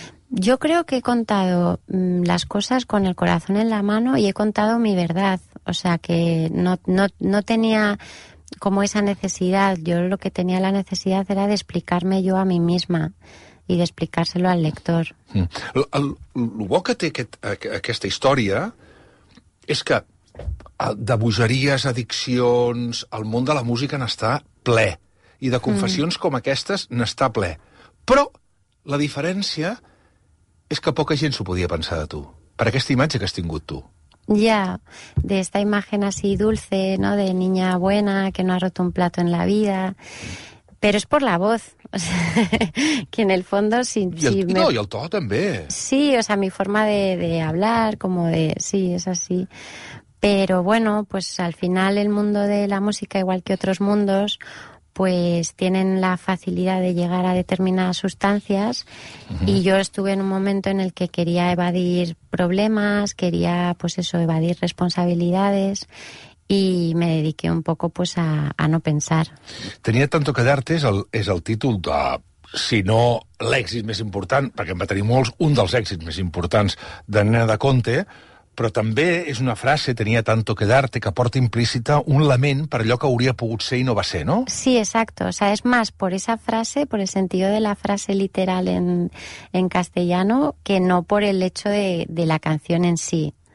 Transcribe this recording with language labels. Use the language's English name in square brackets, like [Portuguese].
[Spanish] Yo creo que he contado las cosas con el corazón en la mano y he contado mi verdad. O sea, que no tenía como esa necesidad. Yo lo que tenía la necesidad era de explicarme yo a mí misma y de explicárselo al lector. [Catalan] El bo que té aquesta història és que de bogeries, addiccions, el món de la música n'està ple. i de confessions com aquestes n'està ple. Però la diferència és que poca gent s'ho podia pensar de tu, per aquesta imatge que has tingut tu. [Spanish] Ya, de esta imagen así dulce, ¿no? De niña buena que no ha roto un plato en la vida. Pero es por la voz, o sea, que en el fondo... [Catalan] Y el to també. [Spanish] Sí, o sea, mi forma de hablar, como de... Sí, es así. Pero bueno, pues al final el mundo de la música, igual que otros mundos, pues tienen la facilidad de llegar a determinadas sustancias. Uh-huh. Y yo estuve en un momento en el que quería evadir problemas, quería, pues eso, evadir responsabilidades, y me dediqué un poco, pues, a no pensar. [Catalan] Tenia tanto que darte és el títol de, si no, l'èxit més important, perquè en va tenir molts, un dels èxits més importants de Nena de Conte, però també és una frase, tenia tanto que darte, que porta implícita un lament per allò que hauria pogut ser i no va ser, no? [Spanish] Sí, exacto. O sea, es más por esa frase, por el sentido de la frase literal en castellano, que no por el hecho de la canción en sí.